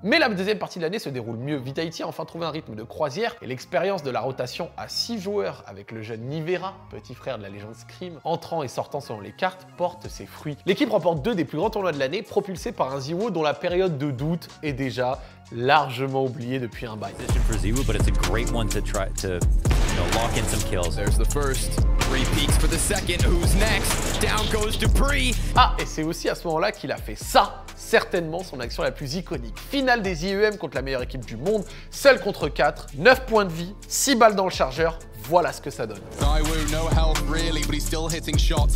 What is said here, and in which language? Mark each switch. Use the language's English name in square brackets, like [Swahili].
[French] Mais la deuxième partie de l'année se déroule mieux. Vitality a enfin trouvé un rythme de croisière et l'expérience de la rotation à 6 joueurs avec le jeune Nivera, petit frère de la légende Scream, entrant et sortant selon les cartes, porte ses fruits. L'équipe remporte deux des plus grands tournois de l'année, propulsés par un Ziwo dont la période de doute est déjà largement oubliée depuis un bail. [English] Position for Ziwo, but it's a great one to try to, you know, lock in some kills. There's the first. Three peaks for the second. Who's next? Down goes Dupree. [French] Ah, et c'est aussi à ce moment-là qu'il a fait ça. Certainement son action la plus iconique. Finale des IEM contre la meilleure équipe du monde, seul contre 4, 9 points de vie, 6 balles dans le chargeur. Voilà ce que ça donne. [English] Daiwu, no help really, but he's still hitting shots.